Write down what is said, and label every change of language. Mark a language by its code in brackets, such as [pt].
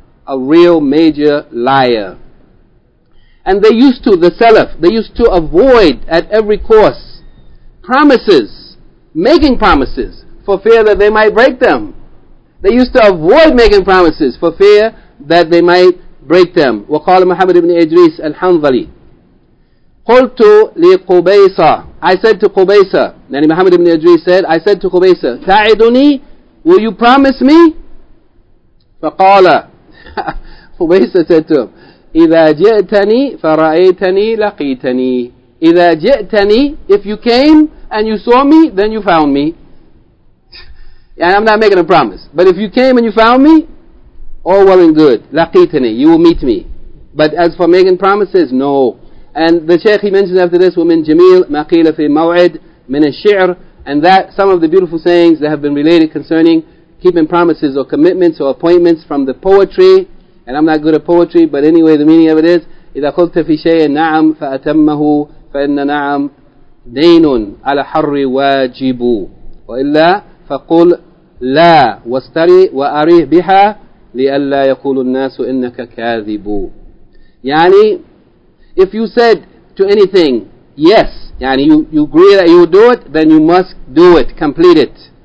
[en] A real major liar. And they used to, the Salaf, they used to avoid at every course promises, making promises, for fear that they might break them. They used to avoid making promises for fear that they might break them. [ar] وَقَالَ مُحَمَّدِ ibn Idris al-Hanzali, قُلْتُ لِقُبَيْسَ. [en] I said to Qubaysa, Nani Muhammad ibn Idris said, I said to Qubaysa, [ar] تَعِدُنِي, [en] will you promise me? [ar] فَقَالَ [en] Qubaysa said to him, [ar] إِذَا جِئْتَنِي فَرَأَيْتَنِي لَقِيْتَنِي. إِذَا جِئْتَنِي, [en] if you came and you saw me, then you found me. And I'm not making a promise. But if you came and you found me, all well and good. [ar] لَقِيْتَنِي, [en] you will meet me. But as for making promises, no. And the Shaykh, he mentions after this, [ar] وَمِنْ جَمِيلْ مَا قِيلَ فِي مَوْعِدْ مِنَ الشِّعْرِ. [en] And that, some of the beautiful sayings that have been related concerning keeping promises or commitments or appointments from the poetry. And I'm not good at poetry, but anyway, the meaning of it is, [ar] إِذَا قُلْتَ فِي شَيْءٍ نَعَمْ فَأَتَمَّهُ فَإِنَّ نَعَمْ دَيْنٌ عَلَى حَرِّ وَاجِبُ وَإِلَّا فَقُلْ لَا وَاسْتَرِي وَأَرِيه بِهَا لِأَلَّا يَقُولُ النَّاسُ إِنَّكَ كَاذِبُ. [en] يعني, if you said to anything, yes, يعني you agree that you would do it, then you must do it, complete it.